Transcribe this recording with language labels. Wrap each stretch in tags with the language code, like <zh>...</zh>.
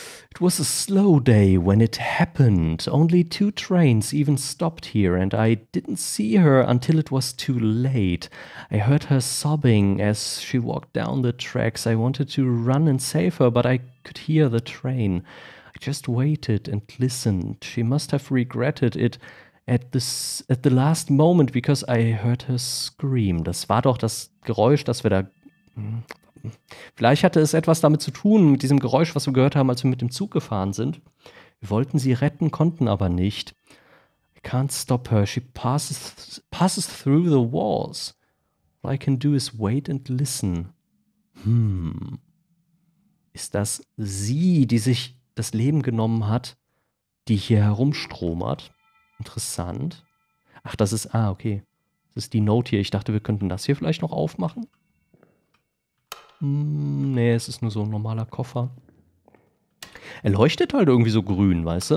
<en>It was a slow day when it happened. Only two trains even stopped here and I didn't see her until it was too late. I heard her sobbing as she walked down the tracks. I wanted to run and save her, but I could hear the train. I just waited and listened. She must have regretted it at the last moment because I heard her scream.</en> <de>Das war doch das Geräusch, das wir da... Vielleicht hatte es etwas damit zu tun, mit diesem Geräusch, was wir gehört haben, als wir mit dem Zug gefahren sind. Wir wollten sie retten, konnten aber nicht.</de> <en>I can't stop her. She passes through the walls. All I can do is wait and listen. Hm.</en> <de>Ist das sie, die sich das Leben genommen hat, die hier herumstromert? Interessant. Ach, das ist, okay. Das ist die Note hier. Ich dachte, wir könnten das hier vielleicht noch aufmachen. Nee, es ist nur so ein normaler Koffer. Er leuchtet halt irgendwie so grün, weißt du?</de>